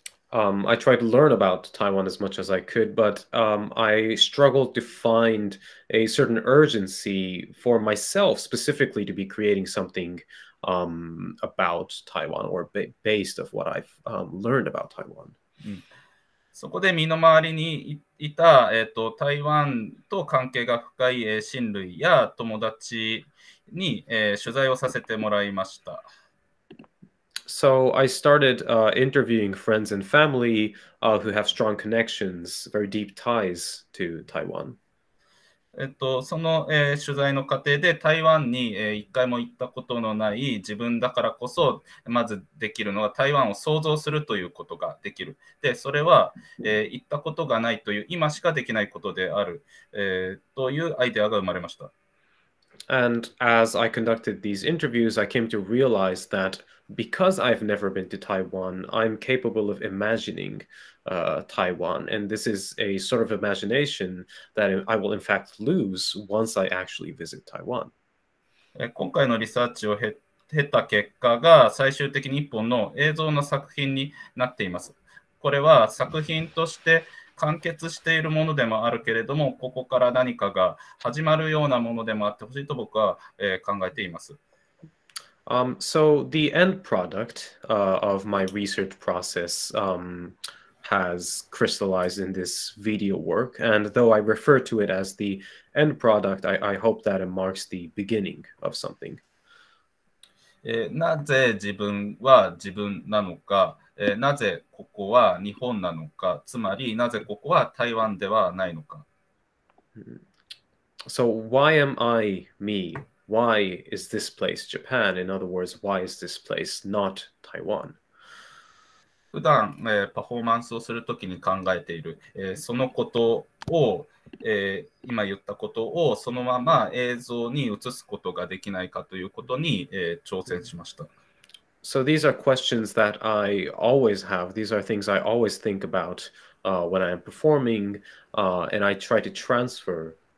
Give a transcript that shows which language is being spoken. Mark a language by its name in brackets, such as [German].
[English] I tried to learn about Taiwan as much as I could, but I struggled to find a certain urgency for myself specifically to be creating something about Taiwan or based of what I've learned about Taiwan.、 [Japanese] そこで身の回りにいた、台湾と関係が深い親類や友達に、取材をさせてもらいました。 [English] So I started interviewing friends and family who have strong connections, very deep ties to Taiwan. [Japanese] その、取材の過程で台湾に、一回も行ったことのない自分だからこそまずできるのは台湾を想像するということができる。で、それは、行ったことがないという今しかできないことである、というアイデアが生まれました。 [English] And as I conducted these interviews, I came to realize that because I've never been to Taiwan, I'm capable of imagining Taiwan. And this is a sort of imagination that I will in fact lose once I actually visit Taiwan. [Japanese] 今回のリサーチを経た結果が最終的に一本の映像の作品になっています。これは作品として完結しているものでもあるけれども、ここから何かが始まるようなものでもあってほしいと僕は、考えています。 [English] So the end product, of my research process, has crystallized in this video work. And though I refer to it as the end product, I hope that it marks the beginning of something. [Japanese] なぜ自分は自分なのか、なぜここは日本なのか、つまりなぜここは台湾ではないのか。 [English] So why am I me? Why is this place Japan? In other words, why is this place not Taiwan? [Japanese] 普段、パフォーマンスをするときに考えている、そのことを、今言ったことをそのまま映像に映すことができないかということに、挑戦しました。 [English] So these are questions that I always have. These are things I always think about, when I am performing, and I try to transfer.